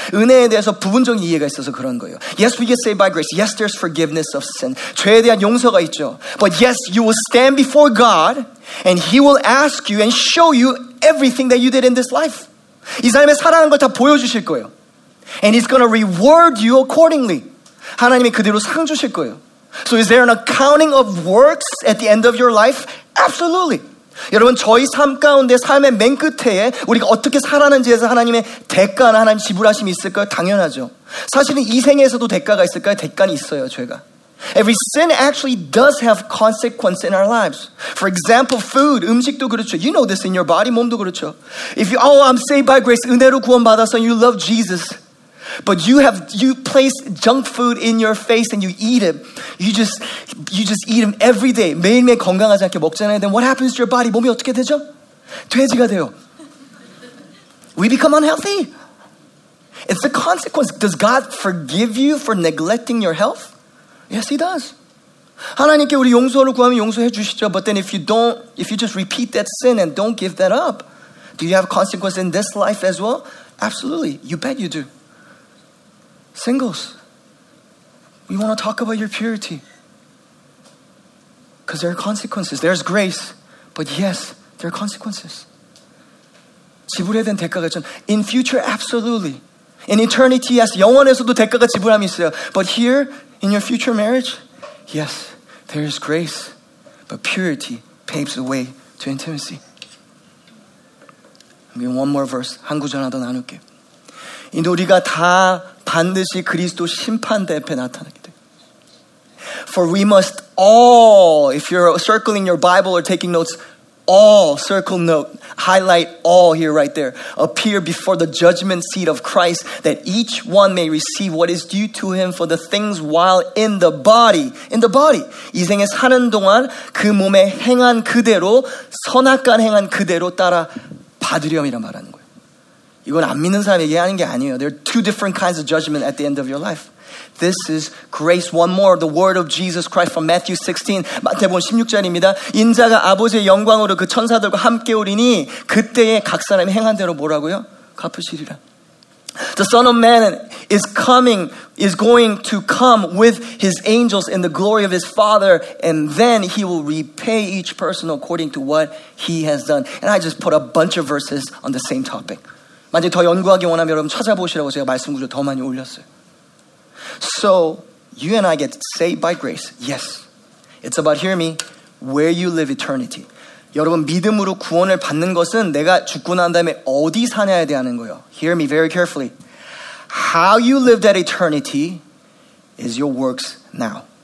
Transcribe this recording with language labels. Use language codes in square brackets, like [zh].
[ko] 은혜에 대해서 부분적인 이해가 있어서 그런 거예요. [en] Yes, we get saved by grace. Yes, there's forgiveness of sin. [ko] 죄에 대한 용서가 있죠. [en] But yes, you will stand before God and he will ask you and show you everything that you did in this life. [ko] 이 삶에 살아가는 걸 다 보여주실 거예요. [en] And he's going to reward you accordingly. [ko] 하나님이 그대로 상 주실 거예요. [en] So is there an accounting of works at the end of your life? Absolutely. [ko] 여러분 저희 삶 가운데 삶의 맨 끝에 우리가 어떻게 살았는지에서 하나님의 대가나 하나님 지불하심이 있을까요? 당연하죠. 사실은 이 생에서도 대가가 있을까요? 대가는 있어요. 죄가. [en] Every sin actually does have consequence in our lives. For example, food, [ko] 음식도 그렇죠. [en] You know this in your body, [ko] 몸도 그렇죠. [en] If you, oh, I'm saved by grace, [ko] 은혜로 구원받아서 [en] you love Jesus. But you place junk food in your face and you eat it. You just eat them every day. [ko] 매일매일 건강하지 않게 먹잖아요. [en] Then what happens to your body? [ko] 몸이 어떻게 되죠? 돼지가 돼요. [en] We become unhealthy. It's a consequence. Does God forgive you for neglecting your health? Yes, he does. [ko] 하나님께 우리 용서를 구하면 용서해 주시죠. [en] But then if you just repeat that sin and don't give that up, do you have a consequence in this life as well? Absolutely. You bet you do. Singles, we want to talk about your purity. Because there are consequences. There's grace. But yes, there are consequences. [ko] 지불해야 된 대가가 있죠. [en] In future, absolutely. In eternity, yes. [ko] 영원에서도 대가가 지불함이 있어요. [en] But here, in your future marriage, yes, there is grace. But purity paves the way to intimacy. I mean, one more verse. [ko] 한 구절 하나 더 나눌게. 이제 우리가 다 반드시 그리스도 심판대 앞에 나타나게 돼. [en] For we must all, if you're circling your Bible or taking notes, all, circle note, highlight all here right there, appear before the judgment seat of Christ that each one may receive what is due to him for the things while in the body. In the body. [ko] 이 생에 사는 동안 그 몸에 행한 그대로, 선악간 행한 그대로 따라 받으렴이라 말하는 거예요. 이건 안 믿는 사람 얘기하는 게 아니에요. [en] There are two different kinds of judgment at the end of your life. This is grace. One more, the word of Jesus Christ from Matthew 16. [ko] 마태복음 16절입니다. 인자가 아버지의 영광으로 그 천사들과 함께 오리니 그때에 각 사람이 행한 대로 뭐라고요? 갚으시리라. [en] The Son of Man is going to come with his angels in the glory of his Father, and then he will repay each person according to what he has done. And I just put a bunch of verses on the same topic. [ko] 만약에 더 연구하기 원하면 여러분 찾아보시라고 제가 말씀 구절 더 많이 올렸어요. [en] So you and I get saved by grace. Yes. It's about, hear me, where you live eternity. [ko] 여러분 믿음으로 구원을 받는 것은 내가 죽고 난 다음에 어디 사냐에 대한 거예요. [en] Hear me very carefully. How you live that eternity is your works now.